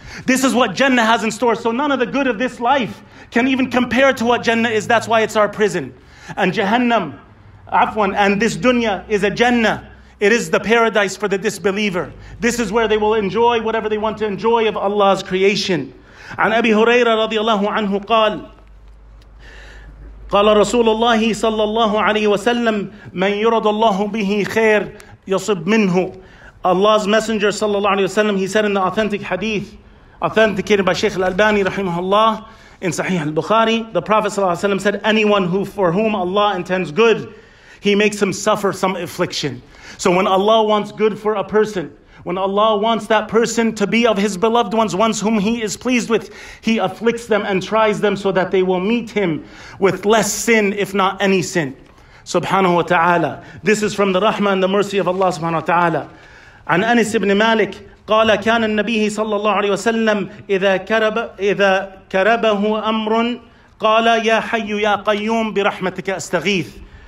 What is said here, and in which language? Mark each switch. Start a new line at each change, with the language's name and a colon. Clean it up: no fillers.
English: This is what Jannah has in store. So none of the good of this life can even compare to what Jannah is. That's why it's our prison. And Jahannam, Afwan, and this dunya is a Jannah. It is the paradise for the disbeliever. This is where they will enjoy whatever they want to enjoy of Allah's creation.
Arabic: عن أبي هريرة رضي الله عنه قال قال رسول الله صلى الله عليه وسلم من يرد الله به خير يصب منه.
English: Allah's Messenger
Arabic: صلى الله عليه وسلم,
English: he said in the authentic hadith authenticated by Sheikh Al-Albani rahimahullah in Sahih Al-Bukhari, the Prophet صلى الله عليه وسلم said, anyone who for whom Allah intends good, He makes him suffer some affliction. So when Allah wants good for a person, when Allah wants that person to be of His beloved ones, ones whom He is pleased with, He afflicts them and tries them so that they will meet Him with less sin, if not any sin. Subhanahu wa ta'ala. This is from the rahmah and the mercy of Allah subhanahu wa ta'ala.
Arabic: An Anis ibn Malik, قال كان النبي صلى الله عليه وسلم إذا كربه أمر قال يا حي يا قيوم برحمتك أستغيث.